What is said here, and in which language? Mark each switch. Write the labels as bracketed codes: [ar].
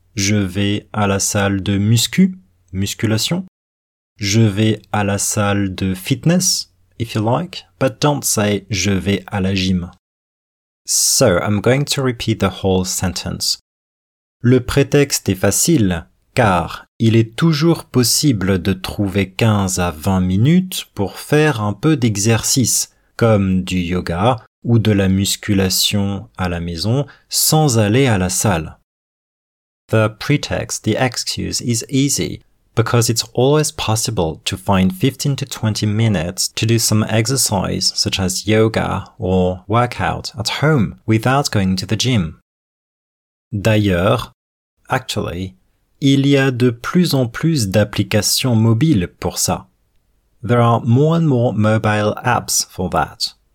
[fr] Je vais à la salle de muscu, musculation. Je vais à la salle de fitness, [en] if you like, but don't say [fr] je vais à la gym. [en] So, I'm going to repeat the whole sentence. [fr] Le prétexte est facile, car il est toujours possible de trouver 15 à 20 minutes pour faire un peu d'exercice, comme du yoga ou de la musculation à la maison, sans aller à la salle. [en] The pretext, the excuse, is easy, because it's always possible to find 15 to 20 minutes to do some exercise, such as yoga or workout, at home, without going to the gym. [fr] D'ailleurs, actually, il y a de plus en plus d'applications mobiles pour ça. [en] There are more and more mobile apps for that.